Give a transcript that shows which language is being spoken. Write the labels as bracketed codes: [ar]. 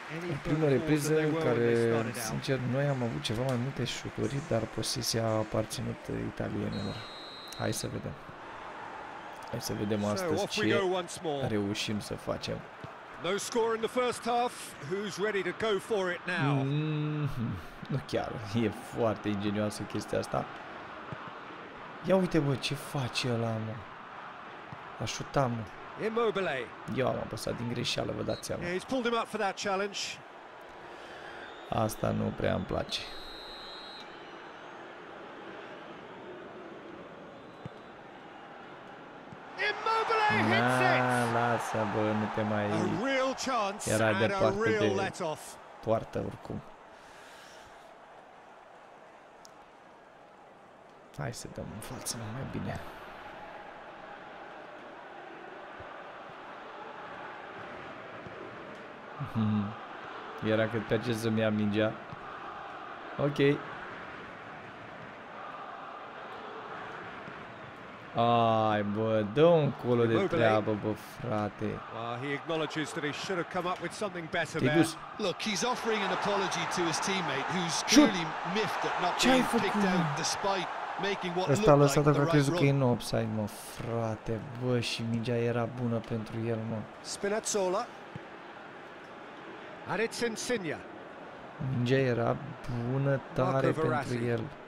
[ro] În prima repriză, în care, sincer, noi am avut ceva mai multe șuturi, dar posesia a aparținut italienilor. Hai să vedem astăzi ce reușim să facem. [en] No score in the first half. Who's ready to go for it now? [ro] Nu chiar, e foarte ingenioasă chestia asta. Ia uite, bă, ce face ăla, mă. A șutat, mă. Immobile. Eu am apăsat din greșeală, vă dați seama. [en] He's pulled him up for that challenge. [ro] Asta nu prea îmi place. [en] Immobile hits it. [ro] Lasă, bă, nu te mai... [en] A real chance. [ro] Era de poartă, [en] a real let off. [ro] Poartă oricum. Hai să dăm în față mai bine. Era cât pe acest să-mi ia mingea. Ok. Ai, bă, dă un colo de treabă, bă, frate. [en] He acknowledges that he should have come up with something better there. Look, he's offering an apology to his teammate who's clearly miffed at not being picked out despite making what looked like the right run. [ro] Ăsta a lăsat-o pentru offside, mă, frate. Bă, și mingea era bună pentru el, mă. Spinazzola. [en] And it's Insigne. [ro] Mingea era bună tare pentru el.